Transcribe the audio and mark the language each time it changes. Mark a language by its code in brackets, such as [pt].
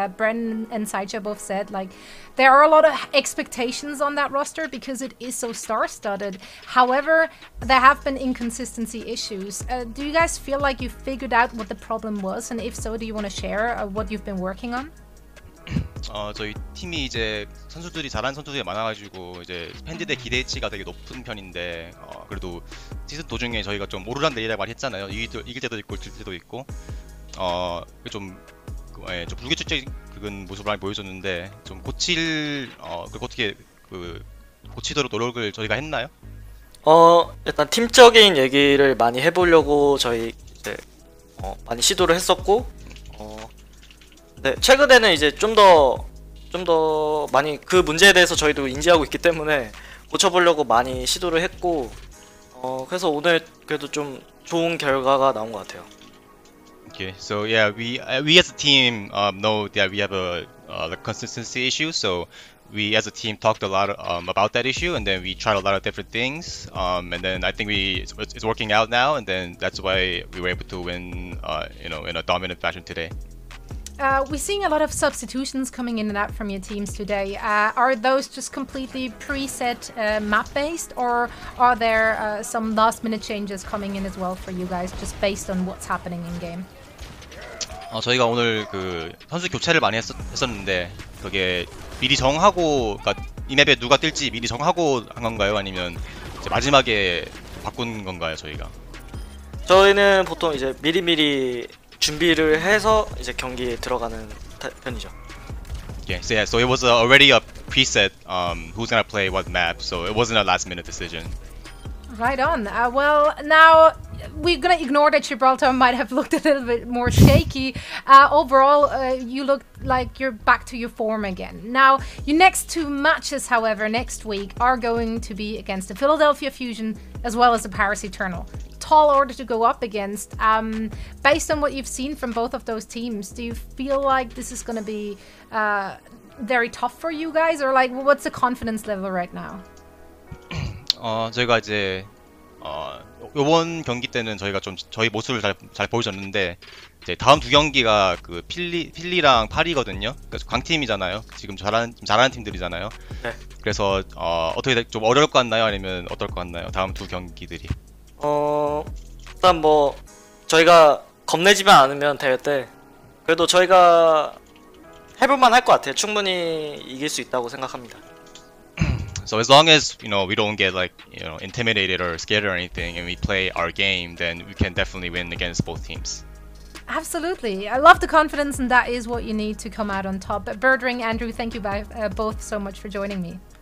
[en] Bren and Saicha both said, like, there are a lot of expectations on that roster because it is so star-studded. However, there have been inconsistency issues. Do you guys feel like you figured out what the problem was? And if so, do you want to share what you've been working on? [ko] 저희 팀이 이제 선수들이 잘한 선수들이 많아가지고 이제 팬들의 기대치가 되게 높은 편인데 그래도 시즌 도중에 저희가 좀 오르락내리락 많이 했잖아요. 이길 때도 있고 질 때도 있고 좀 불규칙적인 모습을 많이 보여줬는데 좀 고칠 어떻게 그 고치도록 노력을 저희가 했나요? 일단 팀적인 얘기를 많이 해보려고 저희 이제 많이 시도를 했었고 네, 최근에는 이제 좀 더 많이 그 문제에 대해서 저희도 인지하고 있기 때문에 고쳐보려고 많이 시도를 했고 그래서 오늘 그래도 좀 좋은 결과가 나온 것 같아요. [en] Okay, so yeah, we as a team know that we have a consistency issue, so we as a team talked a lot about that issue, and then we tried a lot of different things, and then I think it's working out now, and then that's why we were able to win, you know, in a dominant fashion today. We're seeing a lot of substitutions coming in and out from your teams today. Are those just completely preset map-based, or are there some last-minute changes coming in as well for you guys, just based on what's happening in-game? [ko] 저희가 오늘 그 선수 교체를 많이 했었는데 그게 미리 정하고 그러니까 이맵에 누가 뛸지 미리 정하고 한 건가요? 아니면 이제 마지막에 바꾼 건가요, 저희가? 저희는 보통 이제 미리 준비를 해서 이제 경기에 들어가는 편이죠. [en] Yeah, so, yeah, so it was already a preset who's gonna play what map, so it wasn't a last minute decision. Right on. Well, now we're gonna ignore that Gibraltar might have looked a little bit more shaky. Overall, you look like you're back to your form again. Now, your next two matches, however, next week are going to be against the Philadelphia Fusion as well as the Paris Eternal. Tall order to go up against. Based on what you've seen from both of those teams, do you feel like this is gonna be very tough for you guys, or like what's the confidence level right now? [ko] 저희가 이제 이번 경기 때는 저희가 좀 저희 모습을 잘 보여줬는데 이제 다음 두 경기가 그 필리랑 파리거든요. 그래서 광팀이잖아요. 지금 잘하는 팀들이잖아요. 네. 그래서 어떻게 좀 어려울 것 같나요? 아니면 어떨 것 같나요? 다음 두 경기들이. 일단 뭐 저희가 겁내지만 않으면 될 때 그래도 저희가 해볼만 할 것 같아요. 충분히 이길 수 있다고 생각합니다. [en] So as long as you know we don't get like you know intimidated or scared or anything, and we play our game, then we can definitely win against both teams. Absolutely, I love the confidence, and that is what you need to come out on top. But Birdring, Andrew, thank you both so much for joining me.